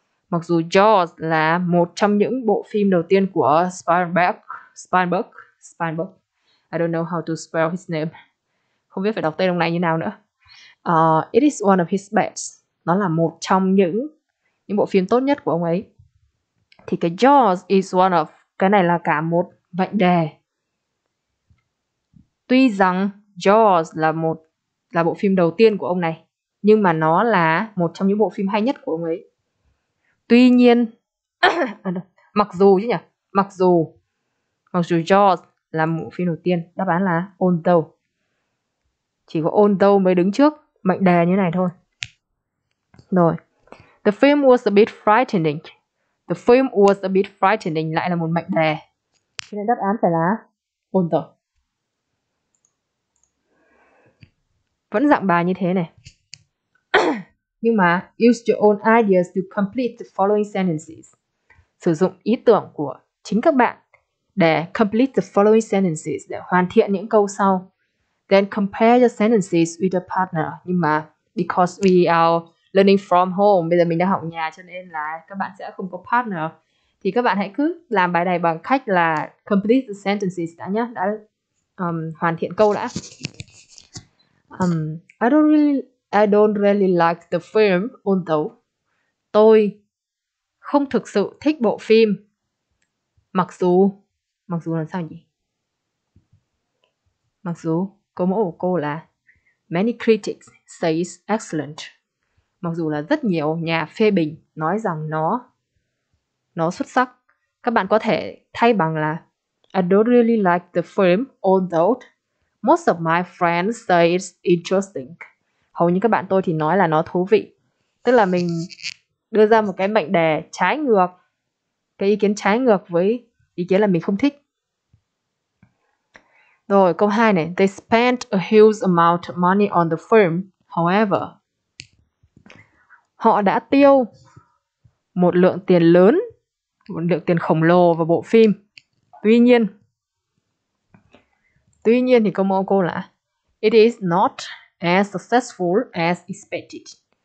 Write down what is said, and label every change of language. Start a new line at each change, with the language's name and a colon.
Vietnamese: Mặc dù Jaws là một trong những bộ phim đầu tiên của Spielberg.
English: I don't know how to spell his name.
Vietnamese: Không biết phải đọc tên ông này như nào nữa.
English: It is one of his best.
Vietnamese: Nó là một trong những bộ phim tốt nhất của ông ấy. Thì cái
English: Jaws is one of,
Vietnamese: cái này là cả một mệnh đề. Tuy rằng Jaws là một là bộ phim đầu tiên của ông này, nhưng mà nó là một trong những bộ phim hay nhất của ông ấy. Tuy nhiên mặc dù chứ nhỉ, mặc dù Jaws là bộ phim đầu tiên, đáp án là although. Chỉ có although mới đứng trước mệnh đề như này thôi. Rồi.
English: The film was a bit frightening. The film was a bit frightening lại là một mệnh đề.
Vietnamese: Cho nên đáp án phải là although. Vẫn dạng bài như thế này. Nhưng mà
English: use your own ideas to complete the following sentences.
Vietnamese: Sử dụng ý tưởng của chính các bạn để
English: complete the following sentences,
Vietnamese: để hoàn thiện những câu sau.
English: Then compare your sentences with a partner.
Vietnamese: Nhưng mà
English: because we are learning from home,
Vietnamese: bây giờ mình đang học nhà cho nên là các bạn sẽ không có partner. Thì các bạn hãy cứ làm bài này bằng cách là
English: complete the sentences
Vietnamese: đã nhé. Đã hoàn thiện câu đã.
English: I don't really like the film, although
Vietnamese: tôi không thực sự thích bộ phim. Mặc dù là sao nhỉ? Mặc dù câu mẫu của cô là
English: many critics says excellent.
Vietnamese: Mặc dù là rất nhiều nhà phê bình nói rằng nó xuất sắc. Các bạn có thể thay bằng là
English: I don't really like the film, although most of my friends say it's interesting.
Vietnamese: Hầu như các bạn tôi thì nói là nó thú vị. Tức là mình đưa ra một cái mệnh đề trái ngược, cái ý kiến trái ngược với ý kiến là mình không thích. Rồi, câu 2 này.
English: They spent a huge amount of money on the film.
Vietnamese: However, họ đã tiêu một lượng tiền lớn, một lượng tiền khổng lồ vào bộ phim. Tuy nhiên thì câu mẫu cô là
English: It is not as successful as expected.